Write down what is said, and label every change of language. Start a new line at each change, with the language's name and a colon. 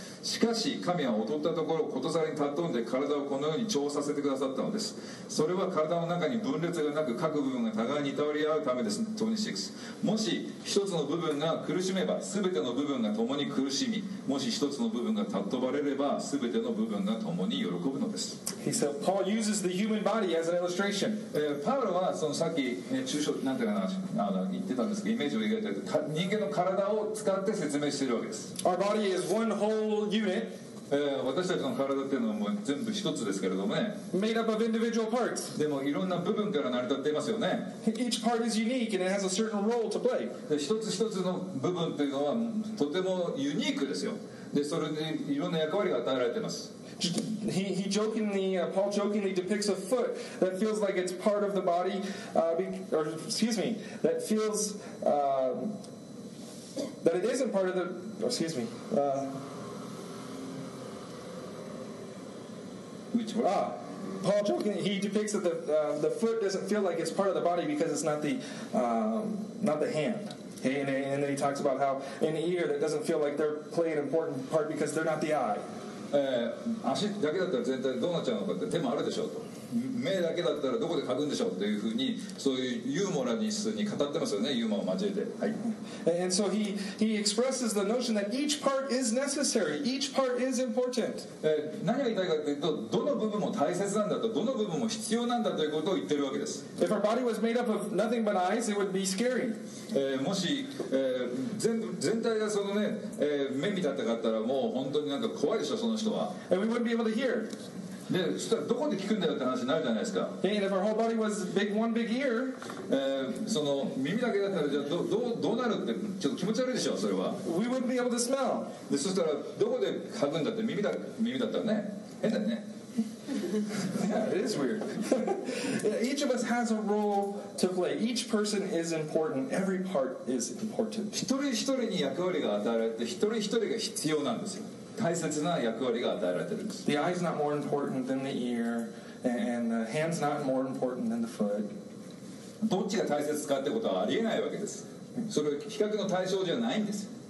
Japanese: しかし神は劣ったところをことさらに尊んで体をこのように調和させてくださったのです。それは体の中に分裂がなく各部分が互いにいたわり合うためです。 26。もし一つの部分が苦しめば全ての部分が共に苦しみ、もし一つの部分が尊ばれれば全ての部分が共に喜ぶのです。
English: He said Paul uses the human body as an illustration.
Japanese: パウロはそのさっき抽象なんていうかな言ってたんですけど、イメージを描いてると人間の体を使って説明しているわけです。
English: Our body is one whole unit.
Japanese: 私たちの体っていうのはもう全部一つですけれどもね。
English: Made up of individual parts.
Japanese: でもいろんな部分から成り立っていますよね。
English: Each part is unique and it has a certain role to play.
Japanese: 一つ一つの部分っていうのはとてもユニークですよ。でそれにいろんな役割が与えられています。
English: Paul jokingly depicts a foot that feels like it's part of the body, that it isn't part of the. Which one? Paul jokingly depicts that the foot doesn't feel like it's part of the body because it's not the not the hand. Okay, and then he talks about how an ear that doesn't feel like they're playing an important part because they're not the eye.
Japanese: 足だけだったら全体どうなっちゃうのかって、手もあるでしょうと。目だけだったらどこで嗅ぐんでしょうというふうにそういうユーモラニスに語ってますよね、ユーモアを交えて、はい、
English: And so he expresses the notion that each part is necessary, each part is important.
Japanese: 何が言いたいかというと、どの部分も大切なんだと、どの部分も必要なんだということを言ってるわけです。
English: If our body was made up of nothing but eyes, it would be scary.
Japanese: もし、全体がそのね、目見たってかったらもう本当になんか怖いでしょ、その人は。
English: And we wouldn't be able to hear.
Japanese: でそしたらどこで聞くんだよって話になるじゃないですか。
English: And if our whole body was big, one big ear,
Japanese: その耳だけだったらじゃあ どうなるってちょっと気持ち悪いでしょそれは。
English: We wouldn't be able to smell.
Japanese: でそしたらどこで嗅ぐんだって耳だったらね変だよね。
English: Yeah, it is weird. Each of us has a role to play. Each person is important. Every part is important.
Japanese: 一人一人に役割が与えられて一人一人が必要なんですよ。大切な役割が与えられているんです。
English: The eye's not more important than the ear, and the hand's not more important than the foot.
Japanese: どっちが大切かってことはありえないわけです。それは比較の対象じゃないんです。